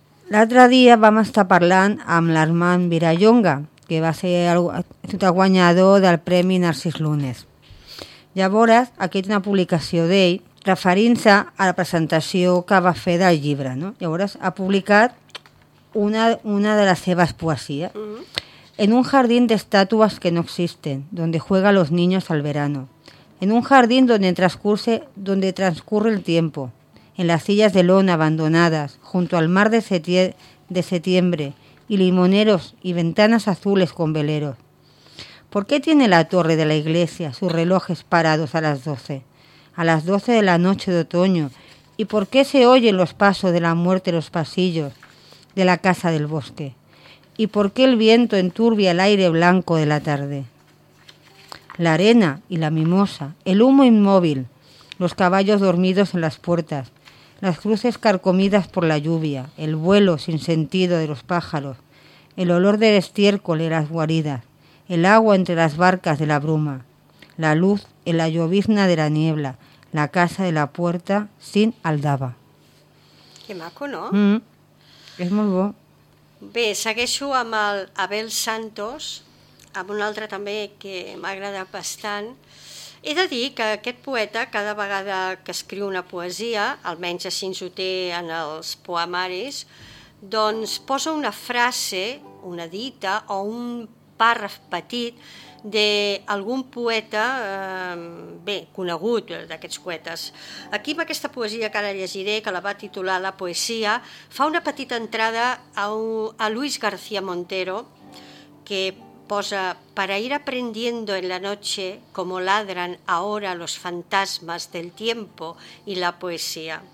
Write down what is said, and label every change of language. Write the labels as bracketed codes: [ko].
[ca] L'altre dia vam estar parlant amb l'Armand Vilallonga, que va ser el guanyador del Premi Narcís Lunes. Llavors, aquí té una publicació d'ell referint-se a la presentació que va fer del llibre, no? Llavors, ha publicat una de les seves poesies. [es] En un jardín de estatuas que no existen, donde juegan los niños al verano. En un jardín donde transcurre el tiempo. En las sillas de lona abandonadas, junto al mar de septiembre, y limoneros y ventanas azules con veleros. ¿Por qué tiene la torre de la iglesia sus relojes parados a las 12? A las 12 de la noche de otoño. ¿Y por qué se oyen los pasos de la muerte en los pasillos de la casa del bosque? ¿Y por qué el viento enturbia el aire blanco de la tarde? La arena y la mimosa, el humo inmóvil, los caballos dormidos en las puertas, las cruces carcomidas por la lluvia, el vuelo sin sentido de los pájaros, el olor del estiércol y las guaridas, el agua entre las barcas de la bruma, la luz en la llovizna de la niebla, la casa de la puerta sin aldaba. [ca] Que maco, no? És molt bo. Bé, segueixo amb el Abel Santos, amb un altre també que m'agrada bastant. He de dir que aquest poeta, cada vegada que escriu una poesia, almenys així ho té en els poemaris, doncs posa una frase, una dita o un pàrraf petit d'algun poeta bé, conegut d'aquests poetes. Aquí, amb aquesta poesia que ara llegiré, que la va titular La poesia, fa una petita entrada a Luis García Montero, que posa: [es] para ir aprendiendo en la noche como ladran ahora los fantasmas del tiempo y la poesía.